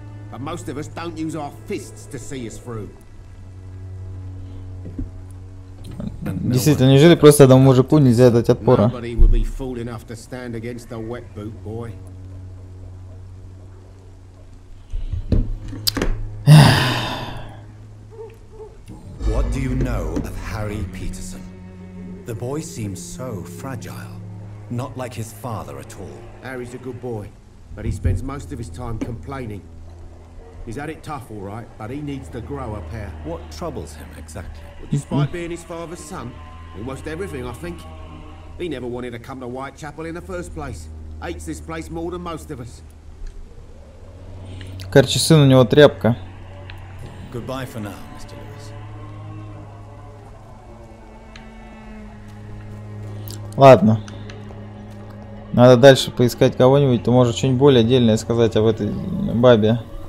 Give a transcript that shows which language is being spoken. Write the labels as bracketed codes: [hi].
[en] But most of us don't use our fists to see us through. [ru] Действительно, неужели просто одному мужику нельзя дать отпора? [en] Nobody would be fool enough to stand against a wet boot, boy. What do you know of Harry Peterson? The boy seems so fragile. Not like his father at all. Harry's a good boy, but he spends most of his time complaining. He's had it tough, all right, but he needs to grow a pair. What troubles him exactly? Well, despite being his father's son, almost everything, I think. He never wanted to come to Whitechapel in the first place. Hates this place more than most of us. [ru] Короче, сын у него тряпка. [en] Goodbye for now, Mr. Lewis. [ru] Ладно. Надо дальше поискать кого-нибудь, то может что-нибудь более отдельное сказать об этой бабе.